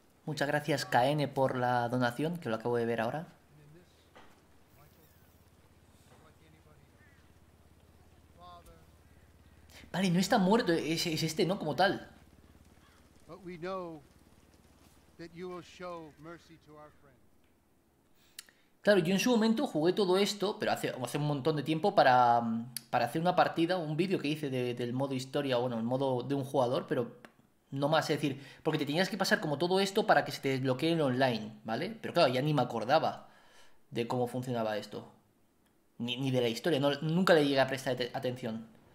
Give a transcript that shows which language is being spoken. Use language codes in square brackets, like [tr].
[es] Muchas gracias, KN, por la donación, que lo acabo de ver ahora. Vale, no está muerto, es este, ¿no? Como tal. [en] But we know that you will show mercy to our friend. [es] Claro, yo en su momento jugué todo esto, pero hace un montón de tiempo, para hacer una partida, un vídeo que hice del modo historia, bueno, el modo de un jugador, pero no más, es decir, porque te tenías que pasar como todo esto para que se te desbloquee el online, ¿vale? Pero claro, ya ni me acordaba de cómo funcionaba esto, ni de la historia, no, nunca le llegué a prestar atención.